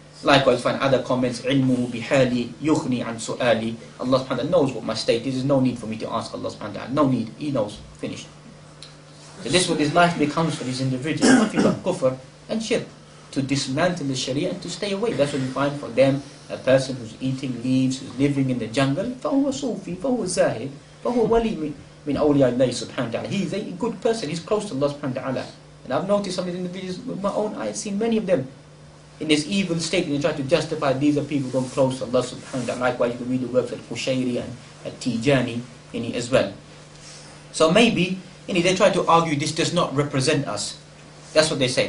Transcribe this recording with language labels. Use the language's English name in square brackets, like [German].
[English] Likewise, find other comments, [Arabic] ilmu bihali yukhni an su'ali. [English] Allah subhanahu wa ta'ala knows what my state is. There's no need for me to ask Allah subhanahu wa ta'ala. No need. He knows. Finished. So this is what his life becomes for these individuals. If you have kufr and shirk, to dismantle the sharia and to stay away. That's what you find for them. A person who's eating leaves, who's living in the jungle, [Arabic] فَهُوَ صُوفِي فَهُوَ زَاهِدْ فَهُوَ وَلِي مِنْ أَوْلِيَ اللَّهِ سُبْحَانَهُ وَتَعَالَى. [English] He's a good person, he's close to Allah subhanahu wa ta'ala. And I've noticed some of these individuals with my own eyes, seen many of them in this evil state, and they try to justify these are people who are close to Allah subhanahu wa ta'ala. Likewise, you can read the works of Qushayri and Tijani as well. So maybe, they try to argue this does not represent us. That's what they say.